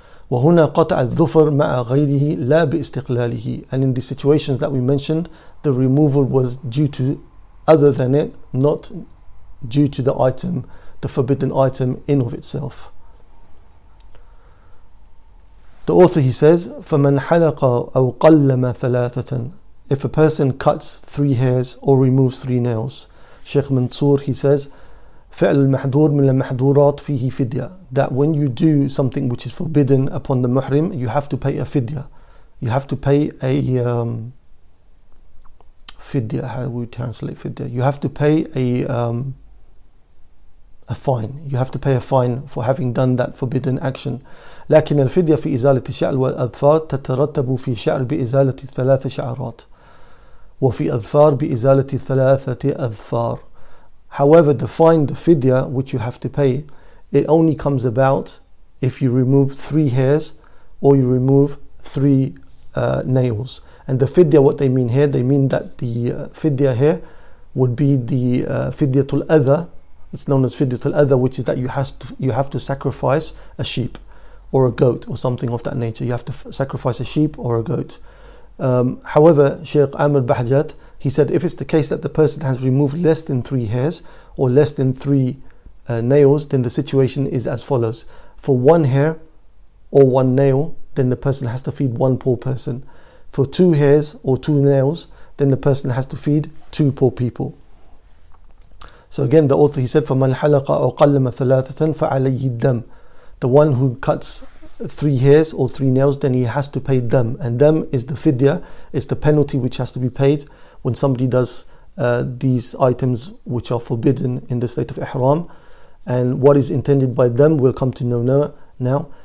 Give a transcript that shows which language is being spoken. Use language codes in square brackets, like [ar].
[ar] وَهُنَا قَطَعَ الظُّفَرْ مَعَ غَيْرِهِ لَا بِإِسْتِقْلَالِهِ. [en] And in the situations that we mentioned, the removal was due to other than it, not due to the item, the forbidden item in of itself. The author, he says, [ar] فَمَنْ حَلَقَ أَوْ قَلَّمَ ثَلَاثَةً. [en] If a person cuts three hairs or removes three nails, Sheikh Mansour, he says, [ar] فَعْلُ الْمَحْذُورِ مِنْ الْمَحْذُورَاتِ فِيهِ فِدْيَةً. [en] That when you do something which is forbidden upon the muhrim, you have to pay a fidya. You have to pay a fidya. How do we translate fidya? You have to pay a fine. You have to pay a fine for having done that forbidden action. [ar] لكن الفدية في إزالة الشعر والأظفار تترتب في شعر بإزالة ثلاثة شعرات وفي أظفار بإزالة ثلاثة أظفار. [en] However, the fine, the fidya, which you have to pay, it only comes about if you remove three hairs or you remove three nails. And the fidya, what they mean here, they mean that the fidya here would be the fidyatul adha. It's known as fidyatul adha, which is that you have to sacrifice a sheep or a goat or something of that nature. You have to sacrifice a sheep or a goat. However, Sheikh Amr Bahjat, he said, if it's the case that the person has removed less than three hairs or less than three nails, then the situation is as follows. For one hair or one nail, then the person has to feed one poor person. For two hairs or two nails, then the person has to feed two poor people. So again, the author, he said, [ar] فَمَنْ حَلَقَ أَوْ قَلَّمَ ثَلَاثَةً فَعَلَيْهِ الدَّمْ. [en] The one who cuts three hairs or three nails, then he has to pay dam. And dam is the fidya, it's the penalty which has to be paid when somebody does these items which are forbidden in the state of ihram. And what is intended by dam, we'll come to know now.